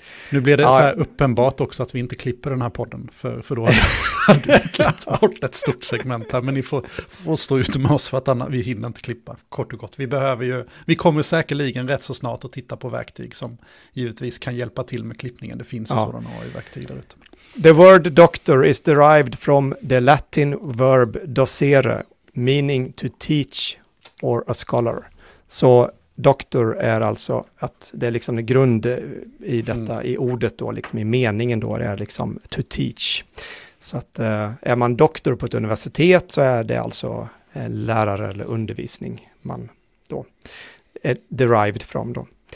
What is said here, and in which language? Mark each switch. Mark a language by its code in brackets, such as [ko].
[sv] Nu blir det så här uppenbart också att vi inte klipper den här podden, för då har du klippt bort ett stort segment här, men ni får stå ut med oss för att vi hinner inte klippa, kort och gott. Vi kommer säkerligen rätt så snart att titta på verktyg som givetvis kan hjälpa till med klippningen. Det finns sådana AI-verktyg där ute. [en] The word doctor is derived from the Latin verb docere, meaning to teach or a scholar. [sv] Så doktor är alltså att det är liksom en grund i detta, i ordet då, liksom i meningen då, det är liksom [en] to teach. [sv] Så att är man doktor på ett universitet så är det alltså lärare eller undervisning man då är [en] derived from [sv] då.